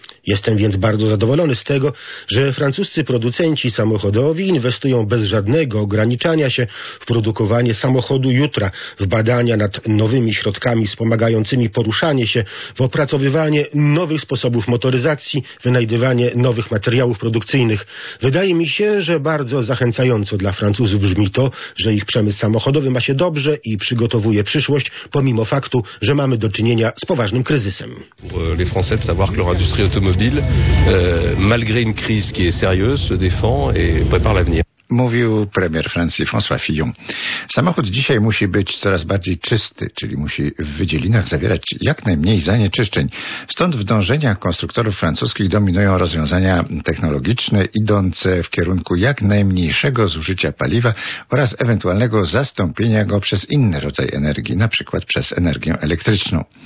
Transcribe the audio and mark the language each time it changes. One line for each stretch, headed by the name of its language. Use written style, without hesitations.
Polish: Jestem więc bardzo zadowolony z tego, że francuscy producenci samochodowi inwestują bez żadnego ograniczania się w produkowanie samochodu jutra, w badania nad nowymi środkami wspomagającymi poruszanie się, w opracowywanie nowych sposobów motoryzacji, wynajdywanie nowych materiałów produkcyjnych. Wydaje mi się, że bardzo zachęcająco dla Francuzów brzmi to, że ich przemysł samochodowy ma się dobrze i przygotowuje przyszłość, pomimo faktu, że mamy do czynienia z poważnym kryzysem.
French: Les Français de savoir que leur industrie automobile, malgré une crise qui est sérieuse, se défend et prépare l'avenir.
Polish: mówił premier Francji François Fillon. Samochód dzisiaj musi być coraz bardziej czysty, czyli musi w wydzielinach zawierać jak najmniej zanieczyszczeń. Stąd w dążeniach konstruktorów francuskich dominują rozwiązania technologiczne idące w kierunku jak najmniejszego zużycia paliwa oraz ewentualnego zastąpienia go przez inny rodzaj energii, na przykład przez energię elektryczną.